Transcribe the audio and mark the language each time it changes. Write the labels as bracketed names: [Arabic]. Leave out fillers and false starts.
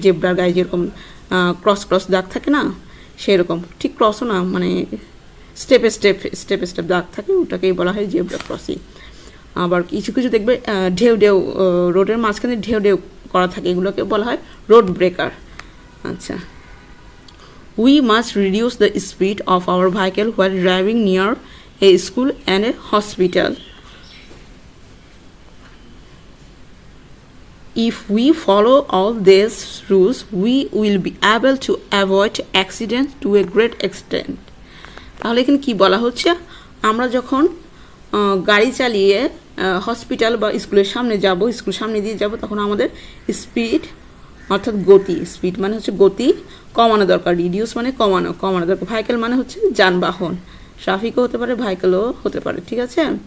[Bangla] জেব্রার গায়ে যেরকম cross cross দাগ থাকে না, সেরকম ঠিক ক্রসও না, মানে স্টেপে স্টেপ দাগ থাকে, ওটাকেই বলা হয় জেব্রা ক্রসিং। আবার কিছু কিছু দেখবে ঢেউ ঢেউ রোডের মাঝখানে ঢেউ ঢেউ করা থাকে, এগুলোকে বলা হয় রোড ব্রেকার। আচ্ছা, [English] We must reduce the speed of our vehicle while driving near a school and a hospital. If we follow all these rules, we will be able to avoid accidents to a great extent. [Bangla] তাহলে এখানে কি বলা হচ্ছে, আমরা যখন গাড়ি চালিয়ে hospital বা স্কুলের সামনে যাব, স্কুল সামনে দিয়ে যাব, তখন আমাদের স্পিড অর্থাৎ গতি, স্পিড মানে হচ্ছে গতি কমানো দরকার, রিডিউস মানে কমানো, কমানো দরকার। ভাইকেল মানে হচ্ছে যানবাহন, ট্রাফিকও হতে পারে, ভাইকেলও হতে পারে, ঠিক আছে।